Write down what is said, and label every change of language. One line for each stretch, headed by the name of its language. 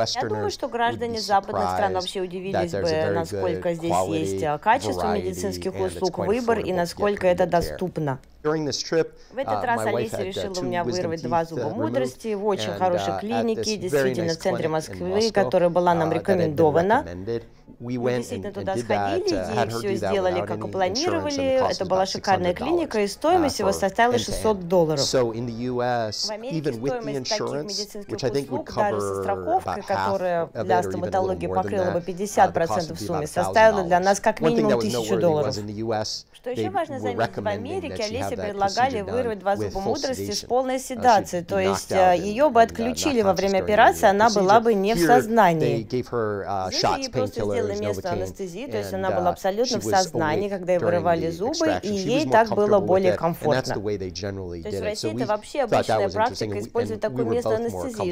Russian: Я думаю, что граждане западных стран вообще удивились бы, насколько здесь есть качество медицинских услуг, выбор и насколько это доступно. В этот раз Олеся решила у меня вырвать два зуба мудрости в очень хорошей клинике, действительно, в центре Москвы, которая была нам рекомендована.
English: we went and did that, had her do that without any insurance, and it cost us about $600 $600. So in the U.S., even with the insurance, which I think would cover about half of it, or even a little more than that, cost would be about $1,000. One thing that was noteworthy was in the U.S., they were recommending that she have that procedure done with full sedation.
Russian: Полной седации, то есть ее бы отключили во время операции, она была бы не в сознании. Здесь ей просто сделали место анестезии, то есть она была абсолютно в сознании, когда ей вырывали зубы, и ей так было более комфортно. То есть в России это вообще обычная практика использовать такое место анестезии.